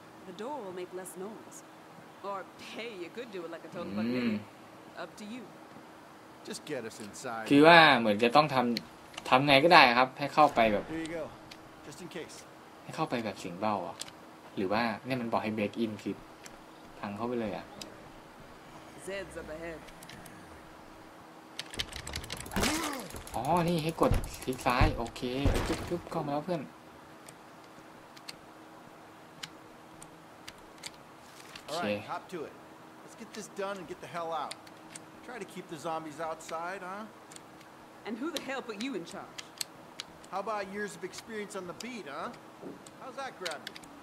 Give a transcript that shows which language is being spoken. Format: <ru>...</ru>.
<en>The door will make less noise. Or hey, you could do it like a total fucking up to you. Just get us inside.</en> <th>คือว่าเหมือนจะต้องทำไงก็ได้ครับให้เข้าไปแบบ</th> <en>Here you go. Just in case.</en> <th>ให้เข้าไปแบบเสียงเบาอ่ะหรือว่าเนี่ยมันบอกให้</th> <en>break in</en> <th>คือพังเข้าไปเลยอ่ะ</th> <en>Zed's up ahead.</en> <th>อ๋อนี่ให้กดคลิกซ้ายโอเคปึ๊บๆเข้ามาแล้วเพื่อน โอเค</th> <en>hop to it let's get this done and get the hell out try to keep the zombies outside huh and who the hell put you in charge how about years of experience on the beat huh how's that grab you</en>